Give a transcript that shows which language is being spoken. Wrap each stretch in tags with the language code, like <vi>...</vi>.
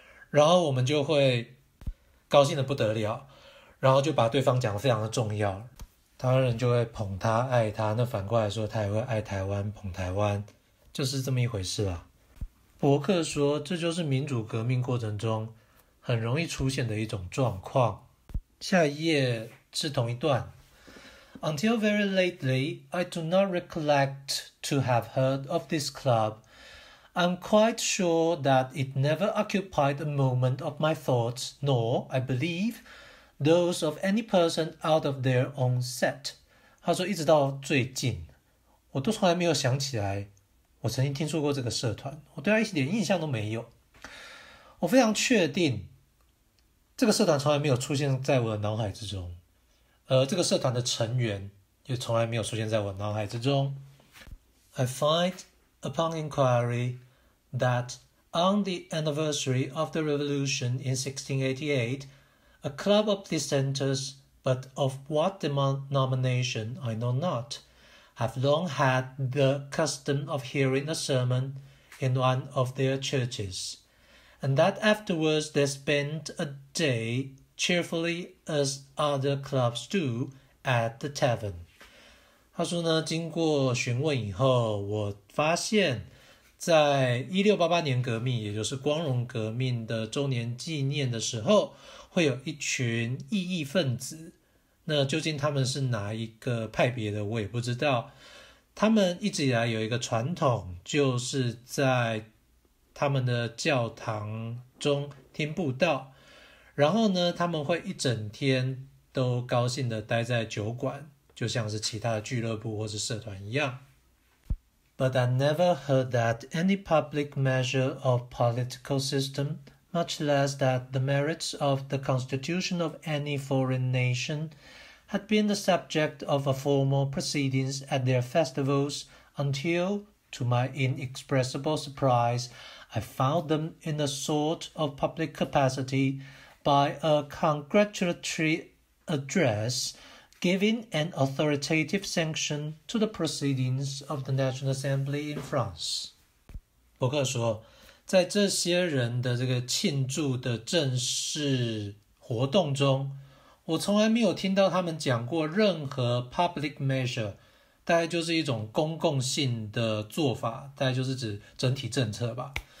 <zh>然后我们就会高兴的不得了，然后就把对方讲得非常的重要，台湾人就会捧他爱他，那反过来说他也会爱台湾捧台湾，就是这么一回事啦。伯克说，这就是民主革命过程中很容易出现的一种状况。下一页是同一段。</zh> <en>Until very lately, I do not recollect to have heard of this club. I'm quite sure that it never occupied a moment of my thoughts, nor, I believe, those of any person out of their own set.</en> <zh>他说，一直到最近，我都从来没有想起来我曾经听说过这个社团，我对他一点印象都没有。我非常确定这个社团从来没有出现在我的脑海之中，而这个社团的成员也从来没有出现在我的脑海之中。</zh> <en>I find upon inquiry that on the anniversary of the revolution in 1688, a club of dissenters but of what denomination I know not, have long had the custom of hearing a sermon in one of their churches, and that afterwards they spent a day cheerfully as other clubs do at the tavern.</en> <zh>他说呢，经过询问以后，我发现在1688年革命，也就是光荣革命的周年纪念的时候，会有一群异议分子。那究竟他们是哪一个派别的，我也不知道。他们一直以来有一个传统，就是在他们的教堂中听布道，然后呢，他们会一整天都高兴地待在酒馆，就像是其他的俱乐部或是社团一样。</zh> <en>But I never heard that any public measure of political system, much less that the merits of the constitution of any foreign nation, had been the subject of a formal proceedings at their festivals until, to my inexpressible surprise, I found them in a sort of public capacity by a congratulatory address. Giving an authoritative sanction to the proceedings of the National Assembly in France.</en> <zh>伯克说，在这些人的这个庆祝的正式活动中，我从来没有听到他们讲过任何</zh> <en>public measure，</en> <zh>大概就是一种公共性的做法，大概就是指整体政策吧。</zh>